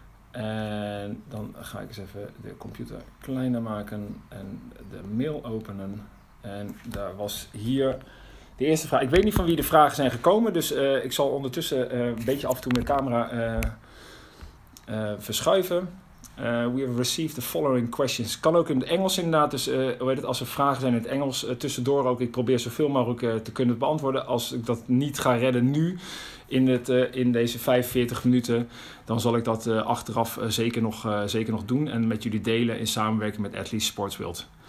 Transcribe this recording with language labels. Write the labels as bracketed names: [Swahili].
[Dutch] En dan ga ik eens even de computer kleiner maken en de mail openen. En daar was hier De eerste vraag. Ik weet niet van wie de vragen zijn gekomen. Dus ik zal ondertussen een beetje af en toe mijn camera verschuiven. [English] We have received the following questions. [Dutch] Kan ook in het Engels inderdaad. Dus hoe heet het, als er vragen zijn in het Engels, tussendoor ook. Ik probeer zoveel mogelijk te kunnen beantwoorden. Als ik dat niet ga redden nu, in deze 45 minuten, dan zal ik dat achteraf zeker nog doen. En met jullie delen in samenwerking met Athletes Sports World.